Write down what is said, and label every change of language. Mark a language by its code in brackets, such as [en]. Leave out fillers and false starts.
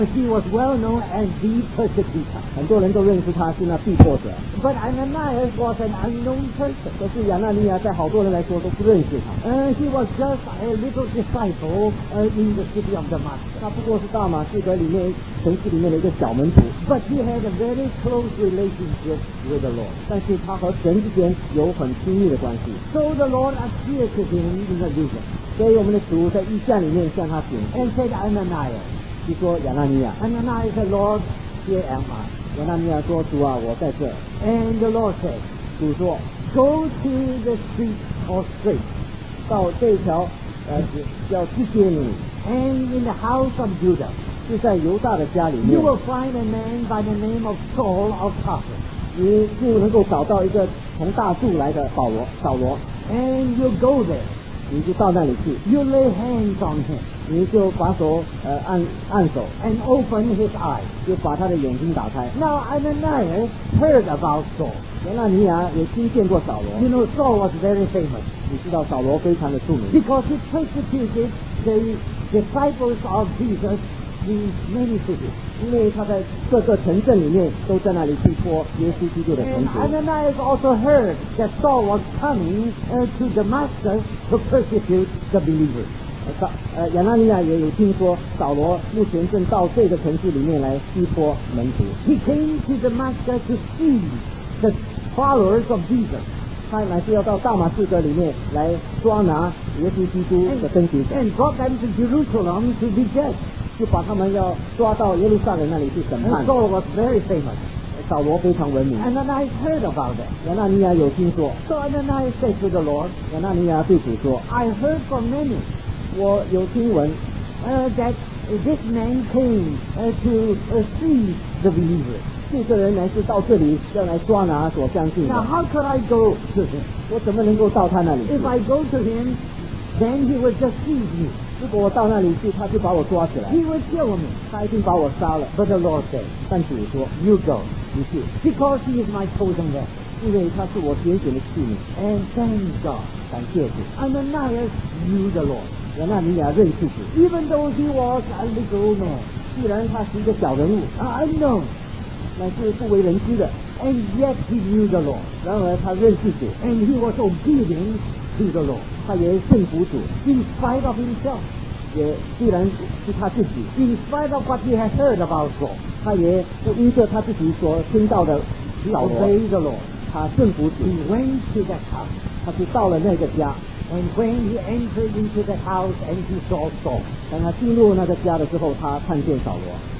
[en] He was well known as the persecutor. [zh] 很多人都认识他是那逼迫者。 [en] But Ananias was an unknown person. [zh] 可是亚纳尼亚在好多人来说都不认识他。 [en] He was just a little disciple, in the city of Damascus. [zh] 他不过是大马士革里面城市里面的一个小门徒。 [en] But he had a very close relationship with the Lord. [zh] 但是他和神之间有很亲密的关系。 [en] So the Lord appeared to him in a vision. [zh] 所以我们的主在异象里面向他显 [en] 现 said Ananias [zh] 就说亚纳尼亚 [en] Ananias said Lord here am I [zh] 亚纳尼亚说主啊我在这 [en] and the Lord said [zh] 主说 [en] go to the street or street [zh] 到这条叫基甸里 [en] and in the house of Judah [zh] 就在犹大的家里面 [en] you will find a man by the name of Saul of Tarsus [zh] 你就能够找到一个从大树来的保罗扫罗 [en] and you'll go thereyou lay hands on him [zh] 你就把手按手 [en] and open his eyes [zh] 就把他的眼睛打开 [en] now Ananias heard about Saul [zh] 亚纳尼亚也听见过扫罗 [en] you know Saul was very famous [zh] 你知道扫罗非常的著名 [en] because he persecuted the disciples of Jesus in many cities [zh] 因为他在各个城镇里面都在那里去说耶稣基督的名字 [en] and Ananias also heard that Saul was coming to Damascus to persecute the believers [zh] 亚纳尼亚也有听说扫罗目前正到这个城市里面来逼迫门徒 [en] he came to Damascus to see the followers of Jesus [zh] 他乃是要到大马士革里面来抓拿耶稣基督的跟随者 [en] and brought them to Jerusalem to be judged [zh] 就把他们要抓到耶路撒冷那里去审判。 [en] And Saul was very famous. [zh] 扫罗非常闻名。 [en] And Ananias heard about it. [zh] 亚纳尼亚有听说。 [en] So Ananias said to the Lord, [zh] 亚纳尼亚对主说 [en] I heard from many, [zh] 我有听闻 [en] that this man came to see the believer. [zh] 这个人来是到这里要来抓拿所相信的。 [en] Now how could I go to him? [zh] 我怎么能够到他那里去 [en] If I go to him, then he would just seize me. [zh] 如果我到那里去他就把我抓起来 [en] He will kill me [zh] 他一定把我杀了 [en] But the Lord said [zh] 但主说 [en] You go [zh] 你去 [en] Because he is my chosen man [zh] 因为他是我拣选的器皿 [en] And thank God [zh] 感谢主 [en] Ananias knew the Lord [zh] 亚纳尼亚认识主 [en] Even though he was a little man [zh] 既然他是一个小人物 [en] Unknown [zh] 乃是不为人知的 [en] And yet he knew the Lord [zh] 然而他认识主 [en] And he was obedientTo the Lord. [zh] 他也顺服主 [en] In spite of himself [zh] 也虽然是他自己 [en] In spite of what he has heard about God [zh] 他也依着他自己所听到的扫罗 [en] obey the Lord [zh] 他顺服主 [en] He went to that house [zh] 他就到了那个家 [en] And when he entered into the house and he saw Saul [zh] 当他进入那个家的时候他看见扫罗